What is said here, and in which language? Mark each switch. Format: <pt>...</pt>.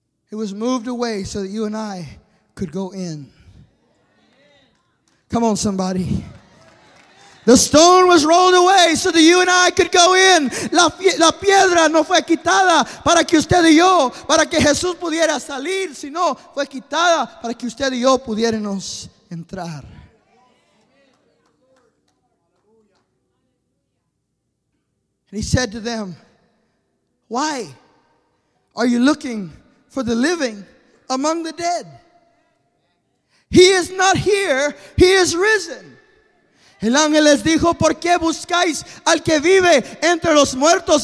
<en>It was moved away so that you and I could go in. Come on, somebody. The stone was rolled away so that you and I could go in.</en> <es>La piedra no fue quitada para que usted y yo, para que Jesús pudiera salir, sino fue quitada para que usted y yo pudiéramos entrar.</es> <en>And he said to them, "Why are you looking for the living among the dead? He is not here, he is risen."</en> <es>El ángel les dijo, ¿por qué buscáis al que vive entre los muertos?</es>